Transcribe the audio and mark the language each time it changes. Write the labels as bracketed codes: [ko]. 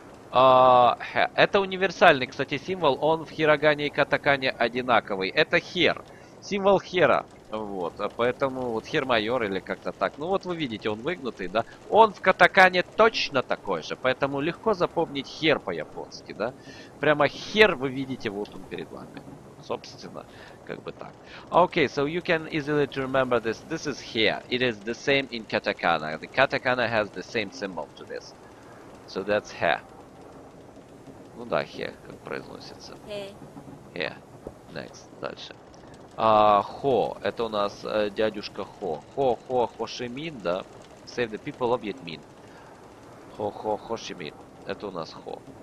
[ru] Это универсальный, кстати, символ. Он в хирагане и катакане одинаковый. Это хер. Символ хера. Вот, а поэтому вот хер майор или как-то так. Ну вот вы видите, он выгнутый, да? Он в катакане точно такой же, поэтому легко запомнить хер по-японски, да? Прямо хер вы видите, вот он перед вами. Собственно, как бы так. [en] Okay, so you can easily to remember this. This is here. It is the same in katakana. The katakana has the same symbol to this. So that's here. [ru] Ну да, here, как произносится. [en] Here. Here. Next. [ru] Дальше. [en] Хо. [ru] Это у нас дядюшка Хо. Хо-хо-хошимин, да? [en] Save the people of Vietmin. [ru] Хо-хо-хошимин. Это у нас Хо.